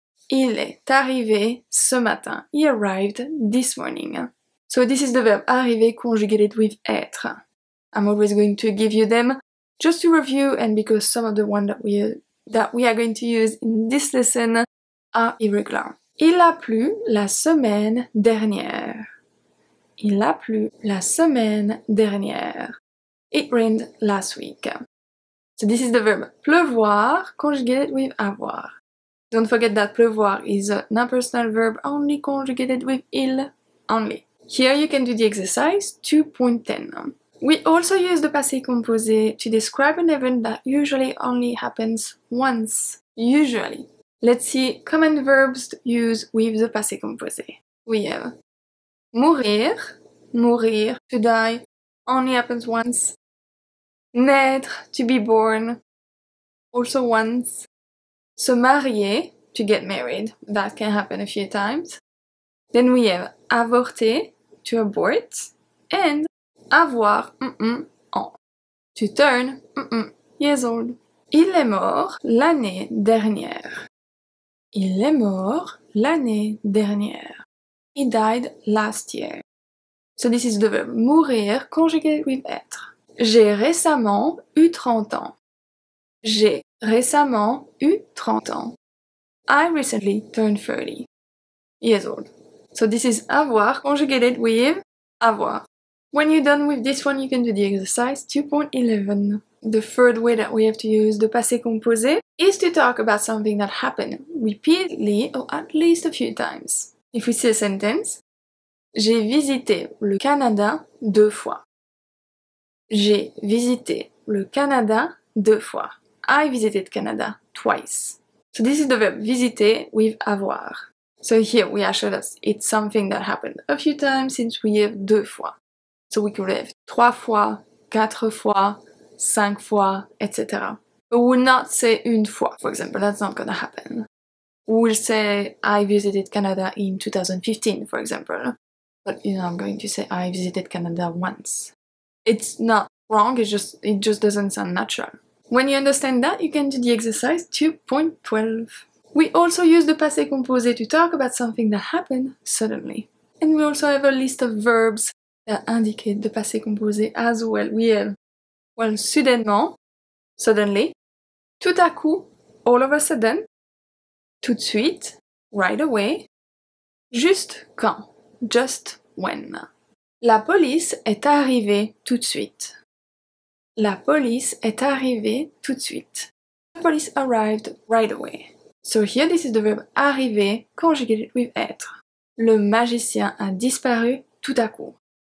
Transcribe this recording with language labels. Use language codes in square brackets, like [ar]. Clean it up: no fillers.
[fr] Il est arrivé ce matin. [en] He arrived this morning. So this is the verb arriver conjugated with être. I'm always going to give you them just to review and because some of the ones that we are going to use in this lesson are irregular. [fr] Il a plu la semaine dernière. Il a plu la semaine dernière. [en] It rained last week. So this is the verb pleuvoir conjugated with avoir. Don't forget that pleuvoir is an impersonal verb only conjugated with il only. Here you can do the exercise 2.10. We also use the passé composé to describe an event that usually only happens once. Usually. Let's see common verbs used with the passé composé. We have mourir, mourir, to die, only happens once. Naître, to be born, also once. Se marier, to get married, that can happen a few times. Then we have avorter, to abort, and avoir, to turn, years old. [fr] Il est mort l'année dernière. Il est mort l'année dernière. [en] He died last year. So this is the verb mourir conjugated with être. [fr] J'ai récemment eu 30 ans. J'ai récemment eu 30 ans. [en] I recently turned 30 years old. So this is avoir conjugated with avoir. When you're done with this one, you can do the exercise 2.11. The third way that we have to use the passé composé is to talk about something that happened repeatedly or at least a few times. If we see a sentence, [fr] j'ai visité le Canada deux fois. J'ai visité le Canada deux fois. [en] I visited Canada twice. So this is the verb visiter with avoir. So here we are sure that it's something that happened a few times since we have deux fois. So we could have trois fois, quatre fois, cinq fois, etc. We will not say une fois, for example, that's not gonna happen. We will say I visited Canada in 2015, for example. But you know, I'm going to say I visited Canada once. It's not wrong, it just doesn't sound natural. When you understand that, you can do the exercise 2.12. We also use the passé composé to talk about something that happened suddenly. And we also have a list of verbs that indicate the passé composé as well. We have, well, soudainement, suddenly, tout à coup, all of a sudden, tout de suite, right away, juste quand, just when. [fr] La police est arrivée tout de suite. La police est arrivée tout de suite. [en] The police arrived right away. So here this is the verb arriver conjugated with être. [fr] Le magicien a disparu tout à coup.